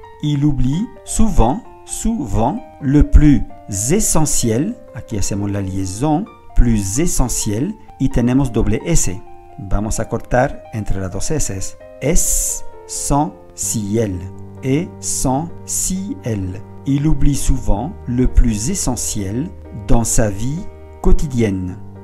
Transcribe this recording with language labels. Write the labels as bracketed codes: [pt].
[fr] Il oublie souvent le plus essentiel. [es] Aquí hacemos la liaison. [fr] Plus essentiel. [es] Y tenemos doble S. Vamos a cortar entre las dos S. [fr] Essentiel. Essentiel. Il oublie souvent le plus essentiel dans sa vie quotidienne.